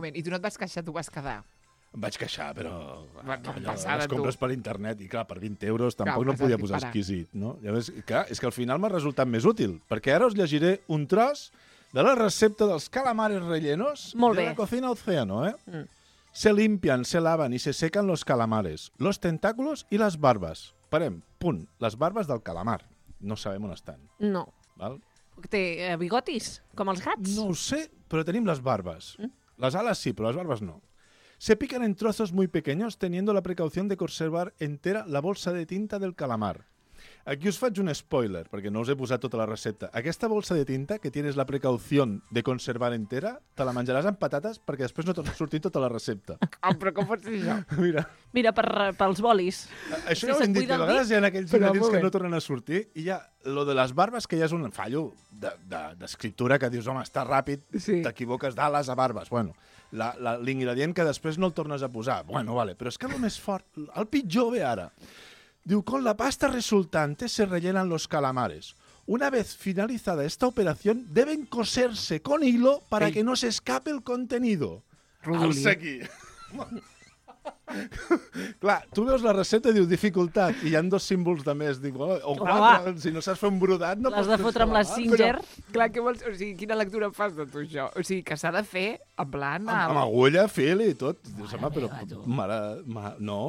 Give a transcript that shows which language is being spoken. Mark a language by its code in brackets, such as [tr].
[ca] moment, i tu no et vas queixar, tu vas quedar... Em vaig queixar, però... Allò, les compres per internet, i clar, per 20 euros tampoc no podia posar exquisit, no? Llavors, clar, és que al final m'ha resultat més útil, perquè ara us llegiré un tros de la recepta dels calamares rellenos de La Cocina Océano, eh? [es] Se limpian, se lavan y se secan los calamares, los tentáculos y las barbas. [ca] Parem, punt, les barbes del calamar. No sabem on estan. No. Val? Té bigotis, com els gats? No ho sé, però tenim les barbes. Les ales sí, però les barbes no. [es] Se pican en trozos muy pequeños, teniendo la precaución de conservar entera la bolsa de tinta del calamar. [ca] Aquí os faig un spoiler, perquè no us he posat tota la recepta. Aquesta bolsa de tinta, [es] que tienes la precaución de conservar entera, [ca] te la menjaràs amb patates perquè després no t'ha sortit tota la recepta. Oh, però com pots dir això? Mira, pels bolis. Això ja ho hem dit, que a vegades hi ha aquells ingredients que no tornen a sortir, i ja, lo de les barbes, que ja és un fallo d'escriptura, que dius, home, està ràpid, t'equivoques d'ales a barbes. Bueno, l'ingredient que després no el tornes a posar. Bueno, vale, però és que el més fort, el pitjor ve ara. Diu, [es] con la pasta resultante se rellenan los calamares. Una vez finalizada esta operación, deben coserse con hilo para que no se escape el contenido. [ca] Rodolí. Aquí. Clar, tu veus la recepta i dius, dificultat, i hi ha dos símbols de més. Dic, o quatre, si no saps fer un brodat... No l'has de fotre amb la Singer. Però... Clar, què vols? O sigui, quina lectura fas de tu, això? O sigui, que s'ha de fer en plan... Amb agulla, fil i tot. Dius, home, però... No.